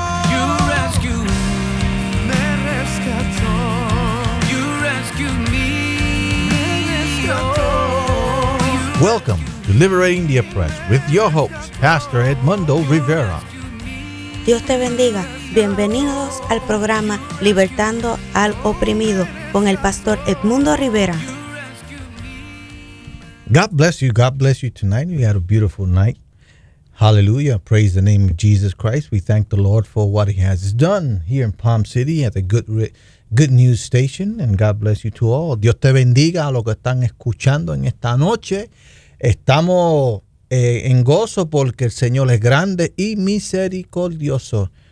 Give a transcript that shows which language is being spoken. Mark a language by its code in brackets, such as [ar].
[en] You rescue me, [es] me rescató. [en] You rescue me, [es] me rescató. [en] Welcome to Liberating the Oppressed with your host, Pastor Edmundo Rivera. [es] Dios te bendiga. Bienvenidos al programa Libertando al Oprimido con el Pastor Edmundo Rivera. [en] God bless you. God bless you tonight. You had a beautiful night. Hallelujah. Praise the name of Jesus Christ. We thank the Lord for what he has done here in Palm City at the Good News Station. And God bless you to all. [es] Dios te bendiga a los que están escuchando en esta noche. Estamos en gozo porque el Señor es grande y misericordioso.